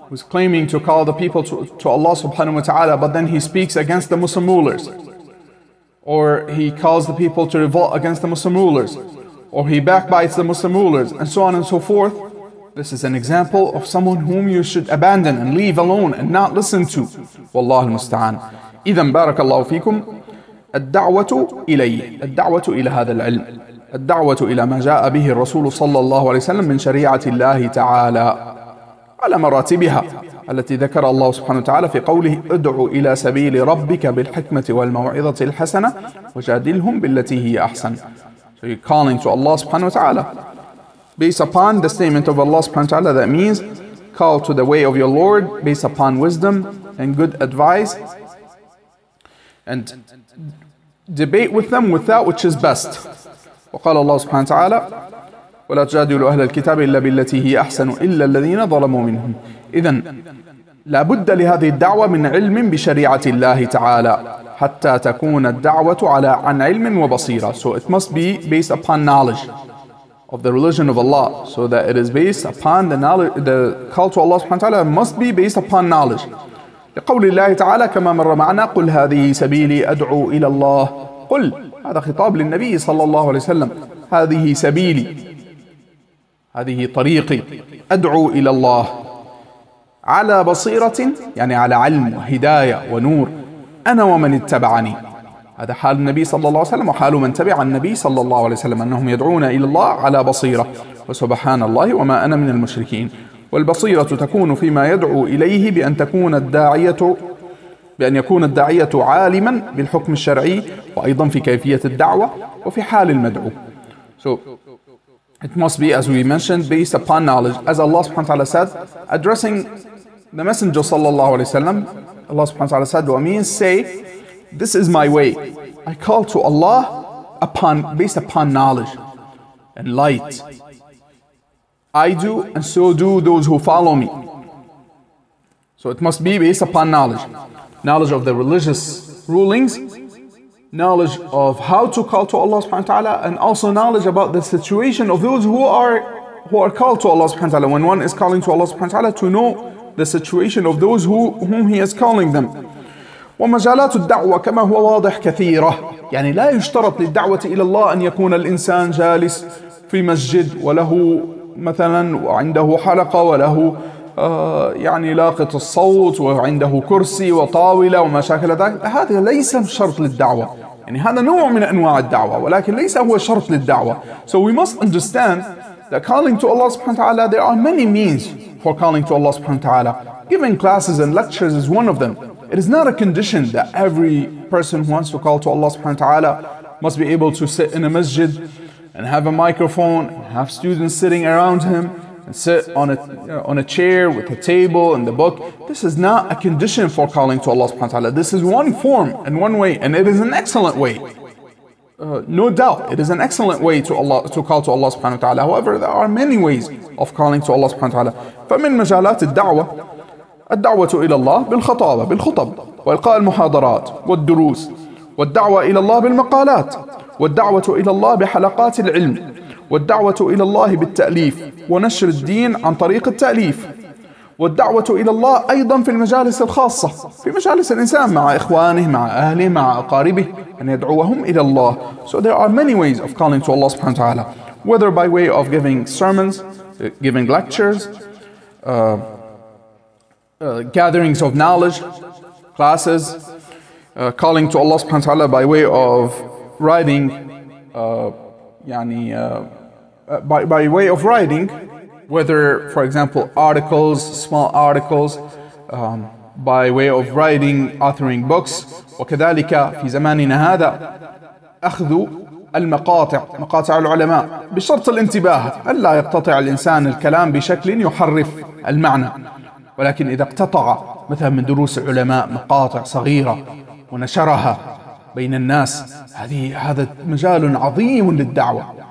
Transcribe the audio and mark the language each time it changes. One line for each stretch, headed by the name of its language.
English: who's claiming to call the people to Allah subhanahu wa ta'ala, but then he speaks against the Muslim rulers. Or he calls the people to revolt against the Muslim rulers. Or he backbites the Muslim rulers, and so on and so forth. This is an example of someone whom you should abandon and leave alone and not listen to.
Arabic: Wallahu al-musta'an. إذن بارك الله فيكم الدعوة إلي الدعوة إلى هذا العلم الدعوة إلى ما جاء به الرسول صلى الله عليه وسلم من شريعة الله تعالى على مراتبها التي ذكر الله سبحانه وتعالى في قوله ادعوا إلى سبيل ربك بالحكمة والموعظة الحسنة وجادلهم بالتي هي أحسن.
English: So you're calling to Allah سبحانه وتعالى based upon the statement of Allah سبحانه وتعالى, that means call to the way of your Lord based upon wisdom and good advice and debate with them with that which is best.
Arabic: وقال الله سبحانه وتعالى ولا تجادلوا أهل الكتاب إلا بالتي هي أحسن إلا الذين ظلموا منهم. إذن لابد لهذه الدعوة من علم بشريعة الله تعالى حتى تكون الدعوة على عن علم وبصيرة.
English: So it must be based upon knowledge of the religion of Allah, so that it is based upon the knowledge. The call to Allah سبحانه وتعالى must be based upon knowledge.
Arabic: لقول الله تعالى كما مر معنا قل هذه سبيلي أدعو إلى الله. قل, هذا خطاب للنبي صلى الله عليه وسلم. هذه سبيلي, هذه طريقي, أدعو إلى الله على بصيرة, يعني على علم وهداية ونور, أنا ومن اتبعني. هذا حال النبي صلى الله عليه وسلم وحال من تبع النبي صلى الله عليه وسلم, أنهم يدعون إلى الله على بصيرة. وسبحان الله وما أنا من المشركين. والبصيرة تكون فيما يدعو إليه بأن تكون الداعية, بأن يكون الداعية عالما بالحكم الشرعي, وأيضا في كيفية الدعوة وفي حال المدعو.
English: So it must be, as we mentioned, based upon knowledge. As Allah subhanahu wa ta'ala said, addressing the messenger sallallahu alayhi wa sallam, Allah subhanahu wa ta'ala said, what means say, this is my way. I call to Allah based upon knowledge and light. I do and so do those who follow me. So it must be based upon knowledge. Knowledge of the religious rulings, knowledge of how to call to Allah subhanahu wa ta'ala, and also knowledge about the situation of those who are called to Allah subhanahu wa ta'ala. When one is calling to Allah subhanahu wa ta'ala, to know the situation of those whom he is calling them.
Arabic: ومجالات الدعوة كما هو واضح كثيرة. يعني لا يشترط للدعوة إلى الله أن يكون الإنسان جالس في مسجد وله مثلا وعنده حلقة وله يعني لاقط الصوت وعنده كرسي وطاولة وما شاكل ذلك. هذا ليس شرط للدعوة. يعني هذا نوع من أنواع الدعوة ولكن ليس هو شرط للدعوة.
English: So we must understand that calling to Allah subhanahu wa ta'ala, there are many means for calling to Allah subhanahu wa ta'ala. Giving classes and lectures is one of them. It is not a condition that every person who wants to call to Allah subhanahu wa ta'ala must be able to sit in a masjid and have a microphone and have students sitting around him and sit on a chair with a table and the book. This is not a condition for calling to Allah subhanahu wa ta'ala. This is one form and one way, and it is an excellent way. No doubt, it is an excellent way to call to Allah subhanahu wa ta'ala. However, there are many ways of calling to Allah subhanahu wa ta'ala.
Arabic: فمن مجالات الدعوة الدعوة إلى الله بالخطابة, بالخطب, وإلقاء المحاضرات والدروس, والدعوة إلى الله بالمقالات, والدعوة إلى الله بحلقات العلم, والدعوة إلى الله بالتأليف ونشر الدين عن طريق التأليف, والدعوة إلى الله أيضا في المجالس الخاصة, في مجالس الإنسان مع إخوانه, مع أهله, مع أقاربه, أن يدعوهم إلى الله.
English: So there are many ways of calling to Allah سبحانه وتعالى, whether by way of giving sermons, giving lectures, gatherings of knowledge, classes, calling to Allah subhanahu wa ta'ala by way of writing, by way of writing, whether, for example, articles, small articles, by way of writing, authoring books.
Arabic: وكذلك في زماننا هذا أخذ المقاطع, مقاطع العلماء, بشرط الانتباه ألا يقتطع الإنسان الكلام بشكل يحرف المعنى. ولكن إذا اقتطع مثلا من دروس العلماء مقاطع صغيرة ونشرها بين الناس, هذا مجال عظيم للدعوة.